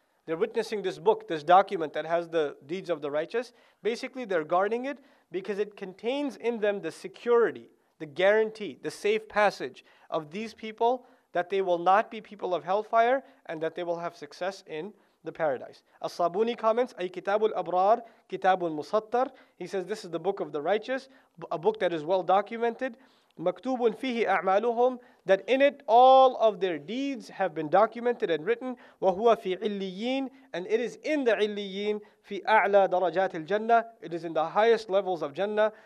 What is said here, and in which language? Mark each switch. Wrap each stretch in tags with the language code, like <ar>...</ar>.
<en>They're witnessing this book, this document that has the deeds of the righteous. Basically, they're guarding it because it contains in them the security, the guarantee, the safe passage of these people that they will not be people of hellfire and that they will have success in the paradise. As-Sabuni comments,</en> <ar>أي كتاب الأبرار كتاب المسطر.</ar> <en>He says, this is the book of the righteous, a book that is well documented.</en> <ar>مَكْتُوبٌ فِيهِ أَعْمَالُهُمْ.</ar> <en>That in it all of their deeds have been documented and written.</en> <ar>وَهُوَ فِي عِلِّيِّينَ.</ar> <en>And it is in the</en> <ar>عِلِّيِّينَ فِي أَعْلَى دَرَجَاتِ الْجَنَّةِ.</ar> <en>It is in the highest levels of Jannah.</en>